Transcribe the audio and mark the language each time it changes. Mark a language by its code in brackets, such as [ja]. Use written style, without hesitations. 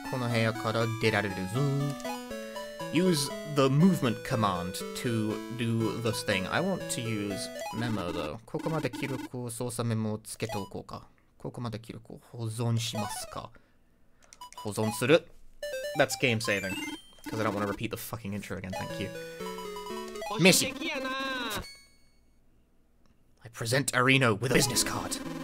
[en] Use the movement command to do this thing. I want to use memo though. [ja] ここまで記録を操作メモをつけておこうか。ここまで記録を保存しますか。保存する。 [en] That's game saving. Because I don't want to repeat the fucking intro again, thank you. Missy! I present Arino with a business card.